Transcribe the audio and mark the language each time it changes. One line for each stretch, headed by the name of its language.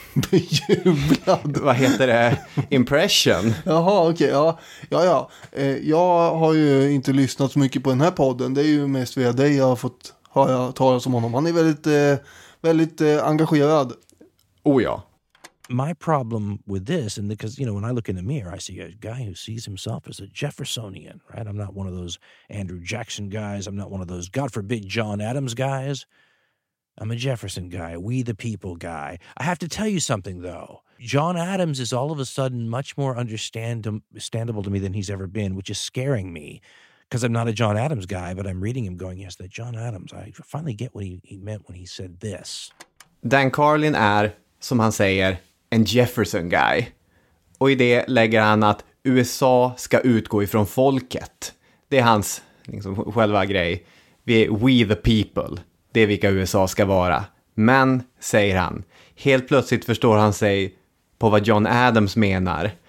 Swedish: Bejublad? Vad heter det? Impression. Jaha, okej. Okay, ja. Jag har ju inte lyssnat så mycket på den här podden. Det är ju mest via dig jag har fått höra talas om honom. Han är väldigt, väldigt engagerad. Oh ja.
English: My problem with this, and because, you know, when I look in the mirror, I see a guy who sees himself as a Jeffersonian, right? I'm not one of those Andrew Jackson guys. I'm not one of those, God forbid, John Adams guys. I'm a Jefferson guy, we the people guy. I have to tell you something, though. John Adams is all of a sudden much more understandable to me than he's ever been, which is scaring me, because I'm not a John Adams guy, but I'm reading him going, yes, that John Adams, I finally get what he meant when he said this.
Swedish: Dan Carlin är, som han säger, en
English: Jefferson guy.
Swedish: Och i det lägger han att USA ska utgå ifrån folket. Det är hans liksom, själva grej. Vi är
English: we the people.
Swedish: Det är vilka USA ska vara. Men, säger han, helt plötsligt förstår han sig på vad John Adams menar.